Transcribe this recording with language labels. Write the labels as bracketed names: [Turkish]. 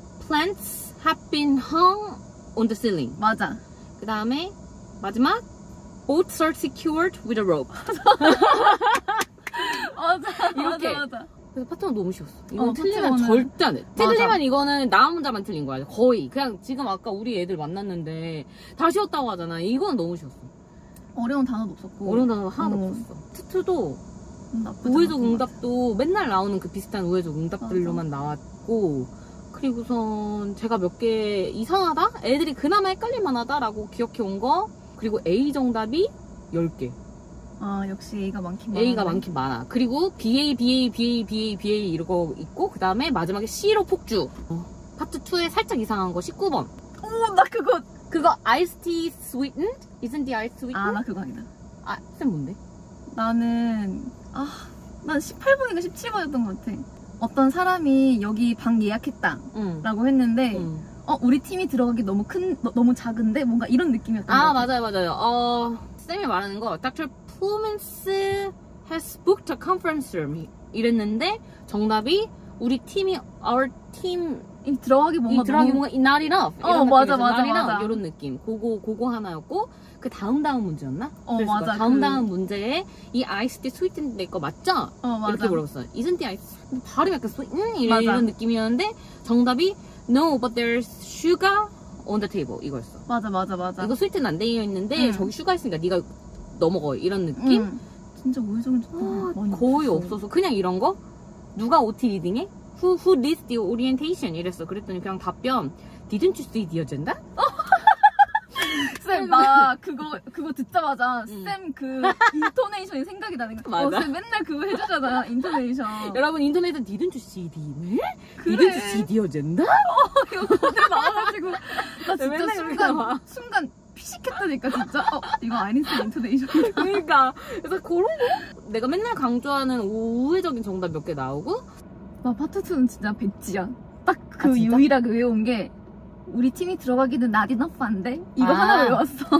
[English] Plants have been hung on the ceiling. [Korean] 맞아. 그 다음에 마지막. [English] Boats are secured with a rope. [Korean] 맞아. 이렇게. 맞아. 그래서 파트너 너무 쉬웠어. 이건 어, 틀리면 파트너는... 절대 안 해. 맞아. 틀리면 이거는 나 혼자만 틀린 거야. 거의. 그냥 지금 아까 우리 애들 만났는데 다 쉬웠다고 하잖아. 이건 너무 쉬웠어. 어려운 단어도 없었고. 어려운 단어 하나도 없었어. 트트도 우회적 응답도 맨날 나오는 그 비슷한 우회적 응답들로만 맞아. 나왔고. 그리고선 제가 몇 개 이상하다? 애들이 그나마 헷갈릴만 하다라고 기억해온 거. 그리고 A 정답이 10개. 아 역시 A가 많긴 많아. A가 많긴 많아. 그리고 BA 이러고 있고 그 다음에 마지막에 C로 폭주. 파트 2에 살짝 이상한 거 19번. 어머 나 그거. [English] 그거 Iced Tea Sweetened? Isn't the Iced Sweetened? [Korean] 아 나 그거 아니다. 아 쌤 뭔데? 나는 아 난 18번인가 17번이었던 것 같아. 어떤 사람이 여기 방 예약했다 라고 했는데 어 우리 팀이 들어가기 너무 큰 너무 작은데 뭔가 이런 느낌이었던 아, 것 같아. 아 맞아요 맞아요. 어 쌤이 말하는 거 닥터 플루멘스 [English] has booked a conference room [Korean] 이랬는데 정답이 우리 팀이 [English] our team [Korean] 이 들어가기 뭔가 이 들어가기 너무 [English] 뭔가 not enough [Korean] 어 맞아 [English] not enough [Korean] 맞아 이런 느낌 그거 하나였고 그 다음 문제였나? 어 맞아 다음 그... 문제에 이 iced tea sweetened 내 거 맞죠? 어 맞아 이렇게 물어봤어요. [English] Isn't the ice [Korean] 발음 약간 [English] sweet [Korean] 이런 느낌이었는데 정답이 [English] no but there's sugar on the table [Korean] 이거였어. 맞아 이거 sweetened 안 되어 있는데 저기 슈가 있으니까 네가 넘어가 이런 느낌? 진짜 우회적인 조금 많이 거의 없어. 없어서 그냥 이런 거? 누가 OT 리딩해? [English] Who leads the orientation? [Korean] 이랬어. 그랬더니 그냥 답변 [English] Didn't you see the agenda? [Korean] 쌤 나 그거 듣자마자 쌤 그 인토네이션이 생각이 나는 거 맞아? 어, 쌤 맨날 그거 해주잖아 인토네이션 여러분 인토네이션 [English] Didn't you see the 왜? [Korean] 그래. [English] Didn't you see the agenda? [Korean] 이거 오늘 나와가지고 나 진짜 순간 피식했다니까 진짜 어 이거 아인슈타인 인터네이션 그러니까 그래서 그런 거 내가 맨날 강조하는 우회적인 정답 몇 개 나오고 나 파트 2는 진짜 백지야 딱 그 아, 유일하게 외운 게 우리 팀이 들어가기는 [English] not enough [Korean] 한데 이거 아, 하나 외웠어